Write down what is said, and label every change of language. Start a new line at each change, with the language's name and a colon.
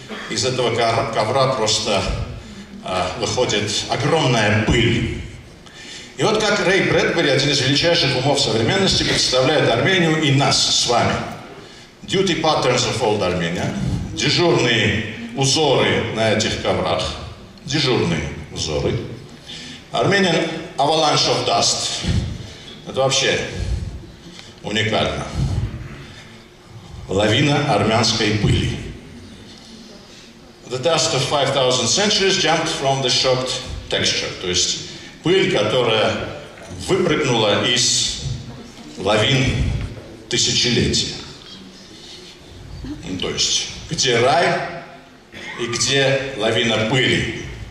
Russian: Из этого ковра просто выходит огромная пыль. И вот как Рэй Брэдбери, один из величайших умов современности, представляет Армению и нас с вами.
English: Duty patterns of old Armenia.
Russian: Дежурные узоры на этих коврах. Дежурные узоры.
English: Armenian avalanche of dust.
Russian: Это вообще уникально. лавина армянской пыли.
English: The dust of 5,000 centuries jumped from the shocked texture.
Russian: То есть пыль, которая выпрыгнула из лавин тысячелетия. То есть, где рай и где лавина пыли.